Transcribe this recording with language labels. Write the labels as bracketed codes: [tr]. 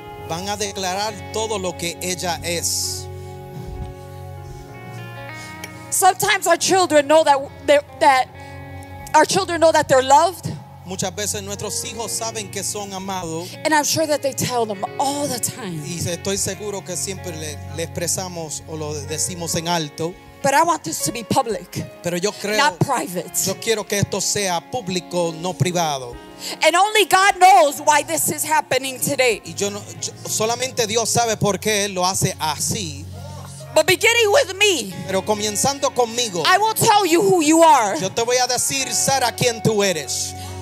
[es] Van a declarar todo lo que ella es. [en] Sometimes our children know that they're loved. [es] Muchas veces nuestros hijos saben que son amados. [en] And I'm sure that they tell them all the time. [es] Y estoy seguro que siempre le expresamos o lo decimos en alto. [en] But I want this to be public. [es] Pero yo creo, [en] not private. [es] Yo quiero que esto sea público, no privado. [en] And only God knows why this is happening today. [es] Y yo no, yo, solamente Dios sabe por qué lo hace así. [en] But beginning with me, [es] pero comenzando conmigo, [en] I will tell you who you are. [es] Yo te voy a decir, Sara, quién tú eres.